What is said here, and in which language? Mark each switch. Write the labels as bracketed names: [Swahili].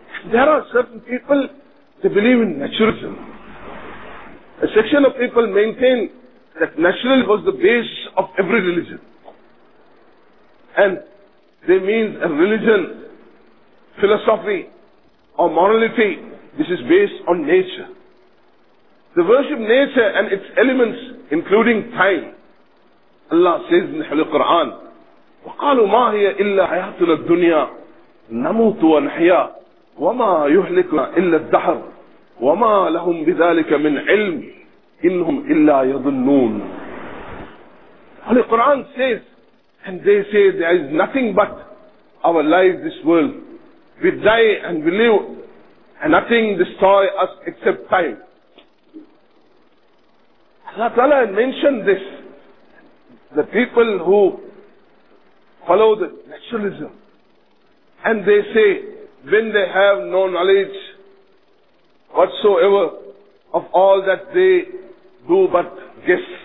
[English] There are certain people, they believe in naturalism. A section of people maintain that naturalism was the base of every religion. And they mean a religion, philosophy or morality, this is based on nature. The worship nature and its elements, including time. Allah says in the Holy Quran, [Arabic] وَقَالُوا مَا هِيَ إِلَّا حَيَاتُنَا الدُّنْيَا نَمُوتُ وَنْحِيَا وَمَا يُهْلِكُنَا إِلَّا الدَّهَرُ وَمَا لَهُمْ بِذَلِكَ مِنْ عِلْمٍ إِنْهُمْ إِلَّا يَظُنُّونَ. [English] Holy Quran says, and they say there is nothing but our life, this world. We die and we live, and nothing destroy us except time. Allah Ta'ala mentioned this. The people who follow the naturalism, and they say, when they have no knowledge whatsoever of all that they do but guess.